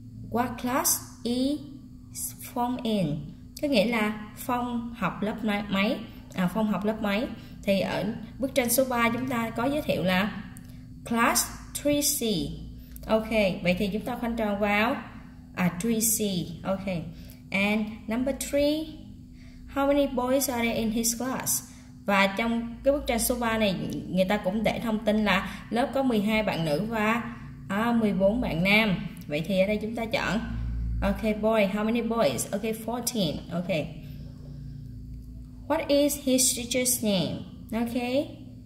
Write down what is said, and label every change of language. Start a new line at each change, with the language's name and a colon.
English: What class is Phong in?
Vietnamese: Có nghĩa là Phong học lớp mấy? Phong học lớp mấy? Thì ở bức tranh số 3 chúng ta có giới thiệu là class 3C. Ok, vậy thì chúng ta khoanh tròn vào 3C.
English: Ok, and number 3, how many boys are there in his class?
Vietnamese: Và trong cái bức tranh số 3 này người ta cũng để thông tin là lớp có 12 bạn nữ và 14 bạn nam. Vậy thì ở đây chúng ta chọn okay, boy.
English: How many boys? Okay, 14. Okay. What is his teacher's name? Okay.